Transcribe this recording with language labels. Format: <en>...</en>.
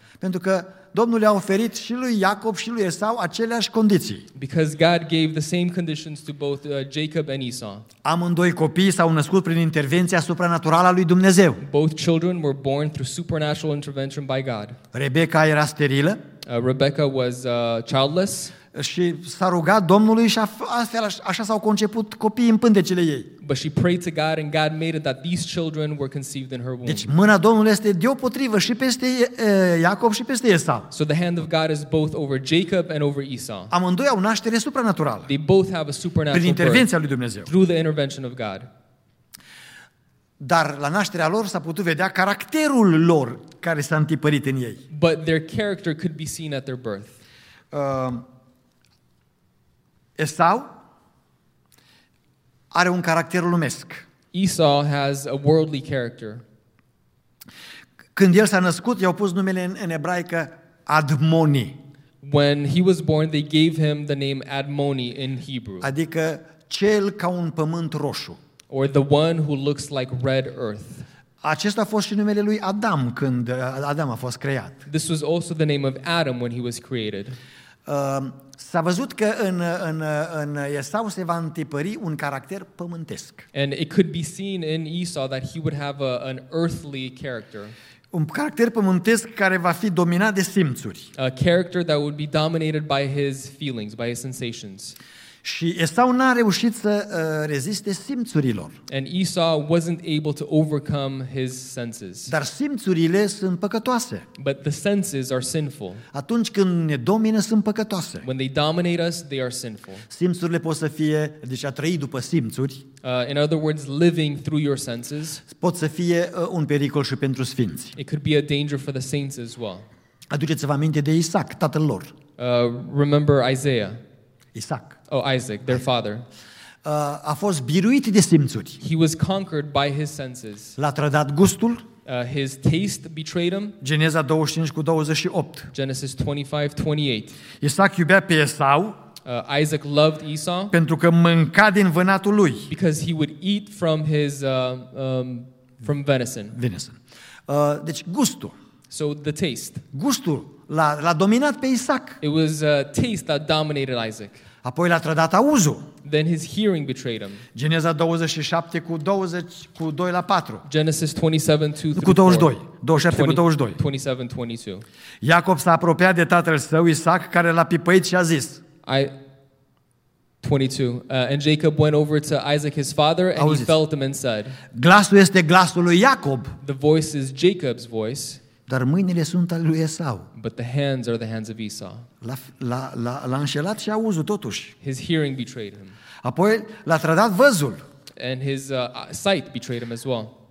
<ro>Pentru că Domnul i-a oferit și lui Iacob și lui Esau aceleași condiții.</ro> <en>Because God gave the same conditions to both Jacob and Esau.</en> <ro>Amândoi copiii s-au născut prin intervenția supranaturală a lui Dumnezeu.</ro> <en>Both children were born through supernatural intervention by God.</en> <ro>Rebecca era sterilă.</ro> <en>Rebecca was childless.</en> <ro>Și s-a rugat Domnului și așa s-au conceput copiii în pântecele ei.</ro> <en>But she prayed to God and God made it that these children were conceived in her womb.</en> <ro>Deci mâna Domnului este deopotrivă și peste Iacob și peste Esau.</ro> <en>So the hand of God is both over Jacob and over Esau.</en> <ro>Amândoi au naștere supranaturală.</ro> <en>They both have a supernatural</en> <ro>birth. Prin intervenția lui Dumnezeu.</ro> <en>Through the intervention of God.</en> <ro>Dar la nașterea lor s-a putut vedea caracterul lor care s-a întipărit în ei.</ro> <en>But their character could be seen at their birth.</en> <ro>Esau are un caracter lumesc.</ro> <en>Esau has a worldly character.</en> <ro>Când el s-a născut, i-au pus numele în ebraică Admoni.</ro> <en>When he was born, they gave him the name Admoni in Hebrew.</en> <ro>Adică cel ca un pământ roșu.</ro> <en>Or the one who looks like red earth.</en> <ro>Acesta a fost și numele lui Adam când Adam a fost creat.</ro> <en>This was also the name of Adam when he was created.</en> <ro>S-a văzut că în Esau se va întipări un caracter pământesc.</ro> <en>And it could be seen in Esau that he would have an earthly character.</en> <ro>Un caracter pământesc care va fi dominat de simțuri.</ro> <en>A character that would be dominated by his feelings, by his sensations.</en> <ro>Și Esau n-a reușit să reziste simțurilor.</ro> <en>And Esau wasn't able to overcome his senses.</en> <ro>Dar simțurile sunt păcătoase.</ro> <en>But the senses are sinful.</en> <ro>Atunci când ne domină, sunt păcătoase.</ro> <en>When they dominate us, they are sinful.</en> <ro>Simțurile pot să fie, deci a trăi după simțuri.</ro> <en>In other words, living through your senses.</en> <ro>Pot să fie un pericol și pentru sfinți.</ro> <en>It could be a danger for the saints as well.</en> <ro>Aduceți-vă aminte de Isaac, tatăl lor.</ro> <en>Remember Isaiah. Isaac. Oh, Isaac, their father.</en> <ro>A fost biruit de simțuri.</ro> <en>He was conquered by his senses.</en> <ro>L-a trădat gustul.</ro> <en>His taste betrayed him.</en> <ro>Geneza 25:28.</ro> <en>Genesis 25:28.</en> <ro>Isaac iubea pe Esau.</ro> <en>Isaac loved Esau.</en> <ro>Pentru că mânca din vânatul lui.</ro> <en>Because he would eat from his from venison.</en> <ro>Venison. Deci gustul.</ro> <en>So the taste.</en> <ro>Gustul l-a dominat pe Isaac.</ro> <en>It was taste that dominated Isaac.</en> <ro>Apoi l-a trădat auzul.</ro> <en>Then his hearing betrayed him.</en> <ro>Geneza 27:22-4.</ro> <en>Genesis 27:22.</en> <ro>Iacob s-a apropiat de tatăl său Isaac care l-a pipăit și a zis.</ro> <en>22. And Jacob went over to Isaac his father and</en> <ro>auziți.</ro> <en>He felt him and said.</en> <ro>Glasul este glasul lui Iacob.</ro> <en>The voice is Jacob's voice.</en> <ro>Dar mâinile sunt ale lui Esau.</ro> <en>But the hands are the hands of Esau.</en> <ro>L-a înșelat și auzul totuși.</ro> <en>His hearing betrayed him.</en> <ro>Apoi l-a trădat văzul.</ro> <en>And his sight betrayed him as well.</en>